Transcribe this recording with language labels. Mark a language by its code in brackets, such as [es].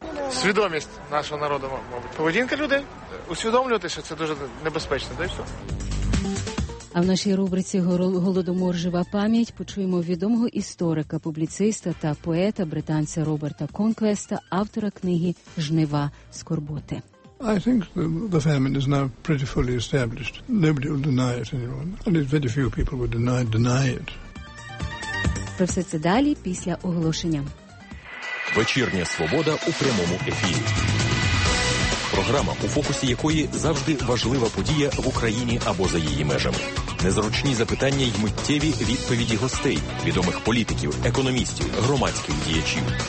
[uk] Свідомість нашого народу, мабуть. Поведінка людей. Усвідомлювати, що це дуже небезпечно, да і все. А в нашій рубриці «Голодомор. Жива пам'ять» почуємо відомого історика, публіциста та поета, британця Роберта Конквеста, автора книги «Жнива скорботи». [en] I think the famine is now pretty fully established. Nobody will deny it anymore. And it's very few people would deny it. [uk] Про все це далі після оголошення. Вечірня «Свобода» у прямому ефірі. Програма, у фокусі якої завжди важлива подія в Україні або за її межами. Незручні запитання й миттєві відповіді гостей, відомих політиків, економістів, громадських діячів.